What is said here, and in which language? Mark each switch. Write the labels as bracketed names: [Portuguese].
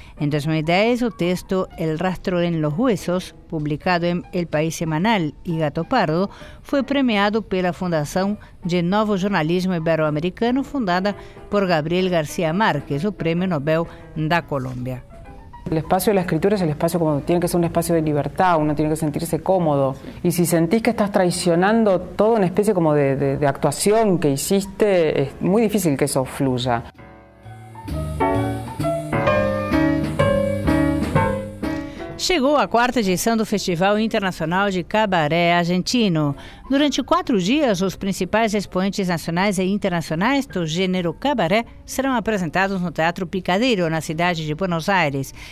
[Portuguese] Em 2010, o texto El Rastro en los Huesos, publicado em El País Semanal e Gato Pardo, foi premiado pela Fundação de Novo Jornalismo Ibero-Americano, fundada por Gabriel García Márquez, o Prêmio Nobel da Colômbia. [Spanish] El espacio de la escritura es el espacio cómodo, tiene que ser un espacio de libertad, uno tiene que sentirse cómodo. Y si sentís que estás traicionando toda una especie como de actuación que hiciste, es muy difícil que eso fluya. [Portuguese] Chegou a 4ª edição do Festival Internacional de Cabaré Argentino. Durante 4 dias, os principais expoentes nacionais e internacionais do gênero cabaré serão apresentados no Teatro Picadeiro, na cidade de Buenos Aires.